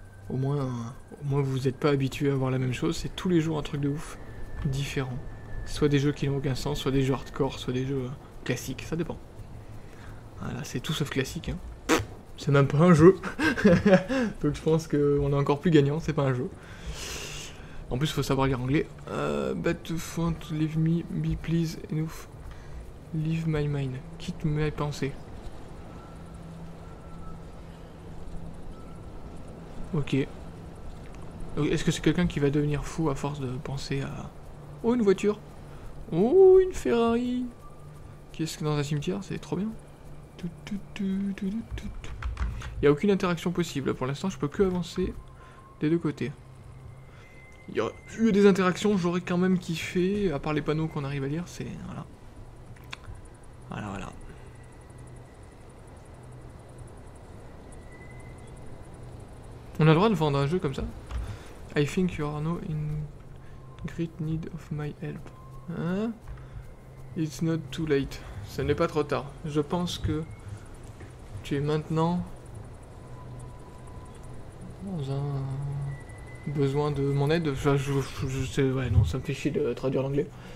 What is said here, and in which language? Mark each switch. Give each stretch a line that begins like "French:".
French: Au moins, vous n'êtes pas habitué à voir la même chose. C'est tous les jours un truc de ouf. Différent. Soit des jeux qui n'ont aucun sens, soit des jeux hardcore, soit des jeux classiques. Ça dépend. Voilà, c'est tout sauf classique, hein. C'est même pas un jeu. Donc je pense qu'on est encore plus gagnant, c'est pas un jeu. En plus, faut savoir lire anglais.
English: Battlefront, leave me, be please, enough. Leave my mind.
French: Quitte mes pensées. Ok. Est-ce que c'est quelqu'un qui va devenir fou à force de penser à... Oh, une voiture! Oh, une Ferrari! Qu'est-ce que dans un cimetière? C'est trop bien. Il n'y a aucune interaction possible. Pour l'instant, je peux que avancer des deux côtés. Il y aurait eu des interactions, j'aurais quand même kiffé, à part les panneaux qu'on arrive à lire, c'est... Voilà. Voilà, voilà. On a le droit de vendre un jeu comme ça?
English: I think you are now in great need of my help.
French: Hein?
English: It's not too late.
French: Ce n'est pas trop tard. Je pense que tu es maintenant... dans un besoin de mon aide, je sais, ouais, non, ça me fait chier de traduire l'anglais.